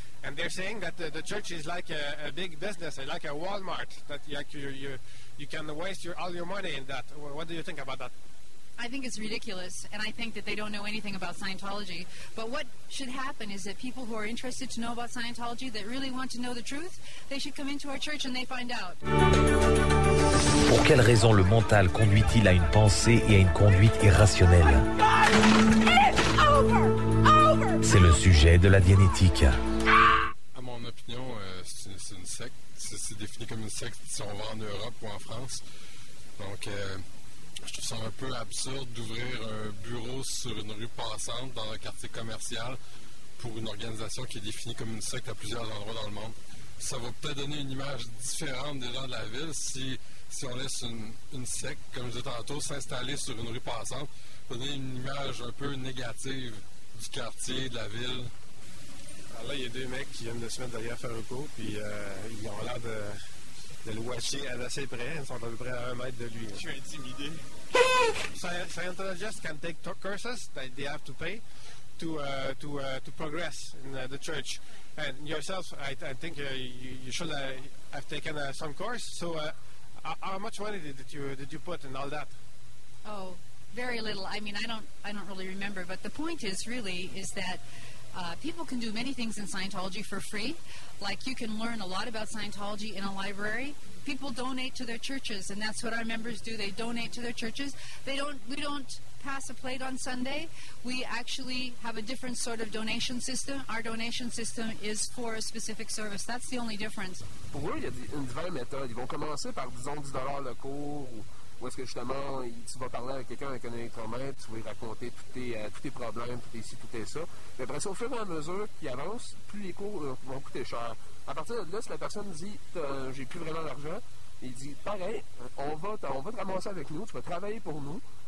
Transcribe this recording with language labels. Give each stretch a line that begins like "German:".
English: And they're saying that the church is like a big business, like a Walmart, that you can waste all your money in that. What do you think about that? I think it's ridiculous, and I think that they don't know anything about Scientology. But what should happen is that people who are interested to know about Scientology, that really want to know the truth, they should come into our church and they find out.
French: Pour quelle raison le mental conduit-il à une pensée et à une conduite irrationnelle? C'est le sujet de la Dianétique. À mon opinion, c'est une secte. C'est défini comme une secte si on va en Europe ou en France. Donc, je trouve ça un peu absurde d'ouvrir un bureau sur une rue passante dans un quartier commercial pour une organisation qui est définie comme une secte à plusieurs endroits dans le monde. Ça va peut-être donner une image différente des gens de la ville si on laisse une secte, comme je disais tantôt, s'installer sur une rue passante, donner une image un peu négative du quartier, de la ville. Alors là, il y a deux mecs qui viennent de se mettre derrière Faruko, puis ils ont l'air de le watcher assez près. Ils sont à peu près à un mètre de lui. Je suis intimidé.
English: Scientologists can take courses that they have to pay to progress in the church. And yourself, I think you should have taken some course. So how much money did you put in all that? Oh, very little. I mean, I don't really remember. But the point is that people can do many things in Scientology for free. Like, you can learn a lot about Scientology in a library. People donate to their churches, and that's what our members do. They donate to their churches. We don't pass a plate on Sunday. We actually have a different sort of donation system. Our donation system is for a specific service. That's the only difference.
French: Pour eux, il y a une divine méthode. Ils vont commencer par, disons, 10 $ le cours, ou est-ce que, justement, tu vas parler avec quelqu'un avec un électromètre, tu vas lui raconter tous tes problèmes, tout ici, tout ça. Mais après ça, au fur et à mesure qu'ils avancent, plus les cours vont coûter cher. À partir de là, si la personne dit « j'ai plus vraiment d'argent », il dit « pareil, on va te ramasser avec nous, tu vas travailler pour nous ».